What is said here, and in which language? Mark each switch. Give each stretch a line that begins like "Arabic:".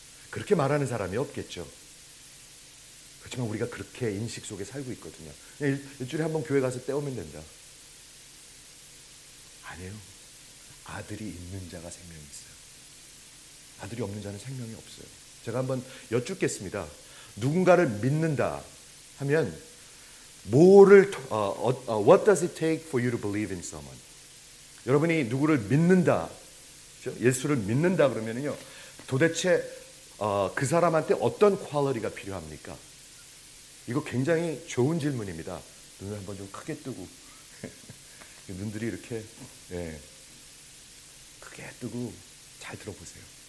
Korean: 그렇게 말하는 사람이 없겠죠. 그렇지만 우리가 그렇게 인식 속에 살고 있거든요. 일주일에 한번 교회 가서 때우면 된다. 아니에요. 아들이 있는 자가 생명이 있어요. 아들이 없는 자는 생명이 없어요. 제가 한번 여쭙겠습니다. 누군가를 믿는다 하면 뭐를
English: What does it take for you to believe in someone?
Korean: 여러분이 누구를 믿는다, 그렇죠? 예수를 믿는다 그러면은요, 도대체 그 사람한테 어떤 퀄리티가 필요합니까? 이거 굉장히 좋은 질문입니다. 눈을 한번 좀 크게 뜨고 눈들이 이렇게 예, 크게 뜨고 잘 들어보세요.